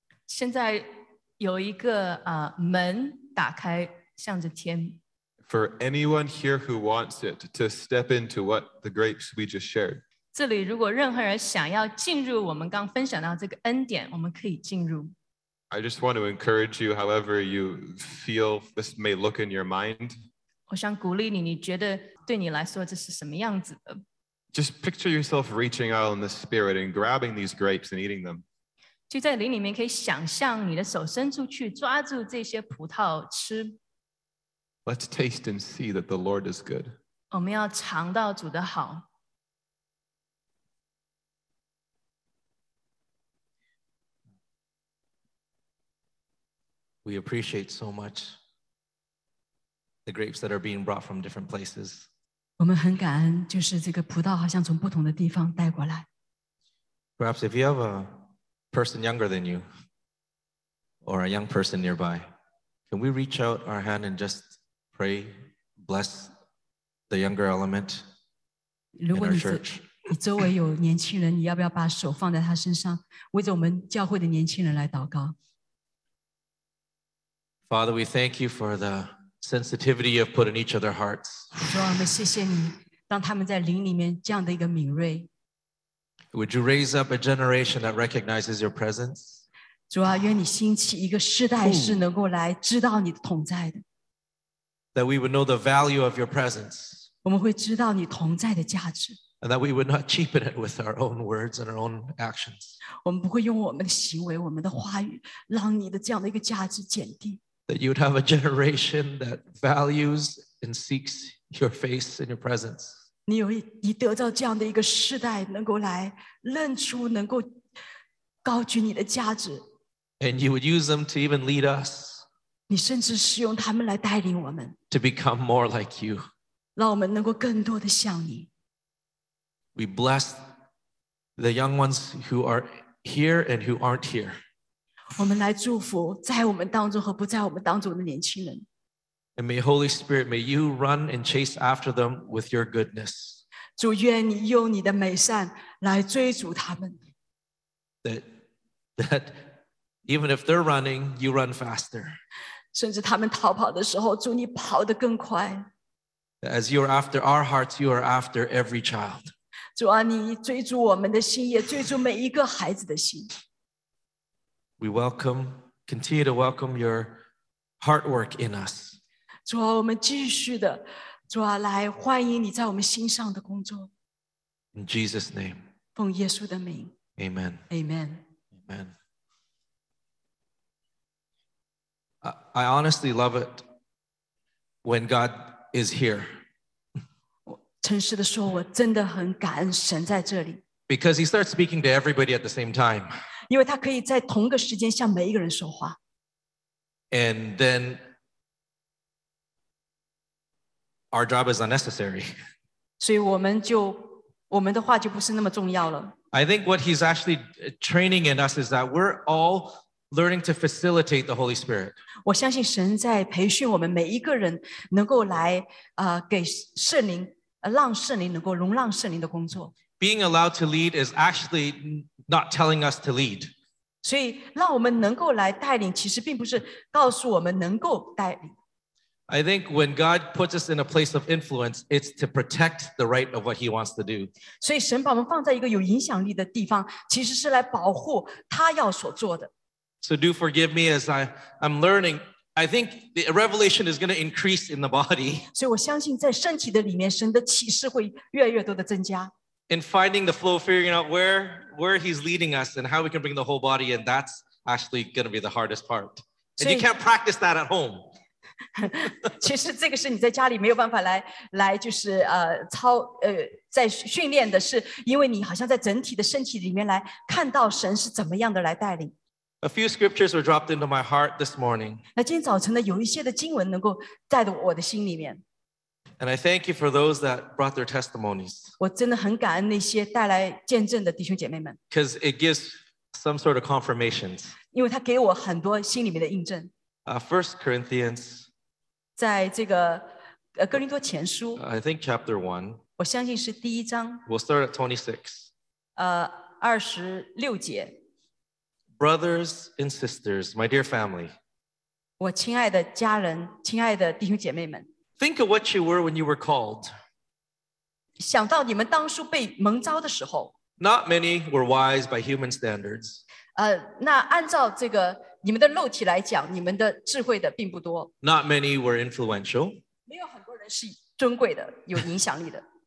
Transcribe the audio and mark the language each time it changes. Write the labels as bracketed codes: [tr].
[zh] 现在有一个门打开，向着天。 [en] For anyone here who wants it to step into what the grapes we just shared. [zh] 这里如果任何人想要进入我们刚分享到这个恩典，我们可以进入。 [en] I just want to encourage you, however you feel this may look in your mind. [zh] 我想鼓励你，你觉得对你来说这是什么样子的？ [en] Just picture yourself reaching out in the spirit and grabbing these grapes and eating them. [zh] 就在灵里面可以想象你的手伸出去，抓住这些葡萄吃。 [en] Let's taste and see that the Lord is good. [zh] 我们要尝到主的好。 [en] We appreciate so much the grapes that are being brought from different places. [zh] 我们很感恩，就是这个葡萄好像从不同的地方带过来。 [en] Perhaps if you have a person younger than you, or a young person nearby, can we reach out our hand and just pray, bless the younger element in our church? [zh] 你周围有年轻人，你要不要把手放在他身上，为着我们教会的年轻人来祷告？ [en] Father, we thank you for the sensitivity you've put in each other's hearts. [zh] 主啊，我们谢谢你，让他们在灵里面这样的一个敏锐。 [en] Would you raise up a generation that recognizes your presence? [zh] 主啊，愿你兴起一个世代是能够来知道你的同在的。 [en] That we would know the value of your presence. [zh] 我们会知道你同在的价值。 [en] And that we would not cheapen it with our own words and our own actions. [zh] 我们不会用我们的行为、我们的话语，让你的这样的一个价值减低。 [en] That you would have a generation that values and seeks your face and your presence. [zh] 你有一得到这样的一个世代，能够来认出，能够高举你的价值。 [en] And you would use them to even lead us. [zh] 你甚至使用他们来带领我们。 [en] To become more like you. [zh] 让我们能够更多的像你。 [en] We bless the young ones who are here and who aren't here. [zh] 我们来祝福在我们当中和不在我们当中的年轻人。 [en] And may Holy Spirit, may you run and chase after them with your goodness. [zh] 主，愿你用你的美善来追逐他们。 [en] That even if they're running, you run faster. [zh] 甚至他们逃跑的时候，主你跑得更快。 [en] As you are after our hearts, you are after every child. [zh] 主啊，你追逐我们的心，也追逐每一个孩子的心。 [en] We welcome, continue to welcome your heart work in us. [zh] 主啊，我们继续的，主啊，来欢迎你在我们心上的工作。 [en] In Jesus' name. [zh] 奉耶稣的名。 [en] Amen. Amen. Amen. I honestly love it when God is here. [zh] 诚实的说，我真的很感恩神在这里。 [en] Because he starts speaking to everybody at the same time. [zh] 因为他可以在同个时间向每一个人说话。 [en] And then our job is unnecessary. [zh] 所以我们的话就不是那么重要了。 [en] I think what he's actually training in us is that we're all learning to facilitate the Holy Spirit. [zh] 我相信神在培训我们每一个人能够来给圣灵让圣灵能够容让圣灵的工作。 [en] Being allowed to lead is actually not telling us to lead. [zh] 所以让我们能够来带领，其实并不是告诉我们能够带领。 [en] I think when God puts us in a place of influence, it's to protect the right of what He wants to do. [zh] 所以神把我们放在一个有影响力的地方，其实是来保护他要所做的。 [en] So do forgive me as I'm learning. I think the revelation is going to increase in the body. [zh] 所以我相信在身体的里面，神的启示会越来越多的增加。 [en] In finding the flow, figuring out where he's leading us and how we can bring the whole body in, that's actually going to be the hardest part. And you can't practice that at home. [zh] 其实这个是你在家里没有办法来就是操在训练的，是因为你好像在整体的身体里面来看到神是怎么样的来带领。 [en] A few scriptures were dropped into my heart this morning. And I thank you for those that brought their testimonies. Because it gives some sort of confirmations. 1 Corinthians. [zh] 在这个, 哥林多前书, [en] I think chapter 1. [zh] 我相信是第一章, [en] we'll start at 26. [zh] 26节, [en] Brothers and sisters, my dear family, [zh] 我亲爱的家人, 亲爱的弟兄姐妹们, [en] think of what you were when you were called. [zh] 想到你们当初被蒙召的时候, [en] not many were wise by human standards. [zh] 那按照这个你们的肉体来讲, 你们的智慧的并不多, [en] not many were influential. [zh] 没有很多人是尊贵的, 有影响力的,